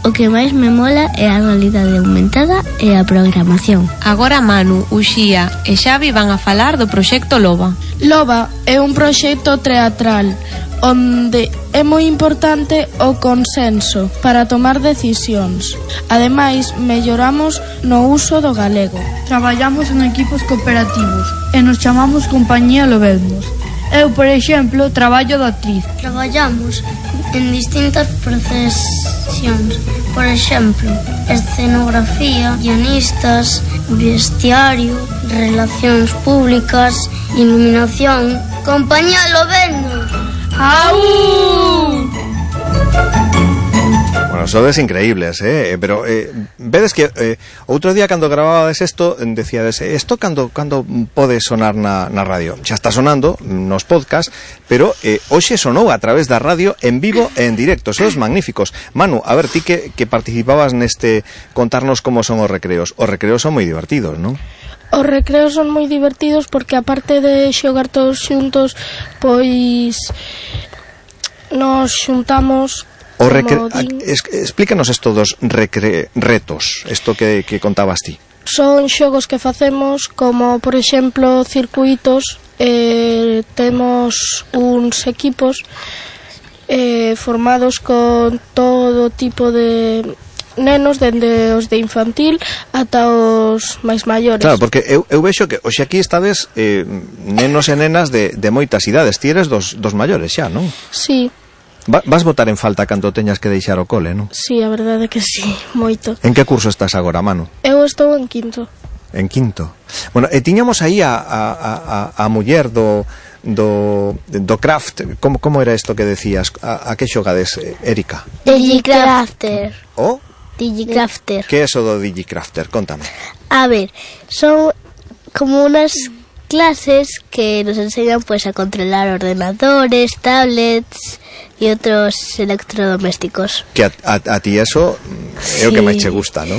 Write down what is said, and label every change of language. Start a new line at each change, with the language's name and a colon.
Galician: o que máis me mola é a realidade aumentada e a programación. Agora Manu, Uxía e Xavi van a falar do proxecto LOBA. LOBA é un proxecto teatral onde é moi importante o consenso para tomar decisións. Ademais, melloramos no uso do galego. Traballamos en equipos cooperativos e nos chamamos Compañía Lobelmos. Eu, por exemplo, traballo de actriz. Traballamos en distintas profesións. Por exemplo, escenografía, guionistas, vestiario, relacións públicas, iluminación. Compañía Lobelmos. ¡Aú! Bueno, sodes increíbles, pero vedes que outro día cando grababades isto, decíades, isto cando pode sonar na radio? Xa está sonando nos podcast, pero hoxe sonou a través da radio en vivo e en directo, sodes magníficos. Manu, a ver, ti que participabas neste contarnos como son os recreos. Os recreos son moi divertidos, non? Os recreos son moi divertidos porque, aparte de xogar todos xuntos, pois nos xuntamos. Explícanos esto dos retos, esto que contabas ti. Son xogos que facemos, como por exemplo circuitos. Temos uns equipos formados con todo tipo de nenos, dende os de infantil ata os máis maiores. Claro, porque eu vexo que hoxe aquí estades nenos e nenas de moitas idades. Ti eres dos maiores xa, non? Sí. Vas botar en falta cando teñas que deixar o cole, non? Sí, a verdade que sí, moito. En que curso estás agora, Manu? Eu estou en quinto. En quinto. Bueno, e tiñamos aí a muller do craft. Como era isto que decías? A que xogades, Erika? DigiCrafter. Oh? DigiCrafter. Que é eso do DigiCrafter? Contame.
Spanish: A ver, son como unas clases que nos enseñan pues a controlar ordenadores, tablets y otros electrodomésticos.
Galician: Que a ti eso é o que máis te gusta, ¿no?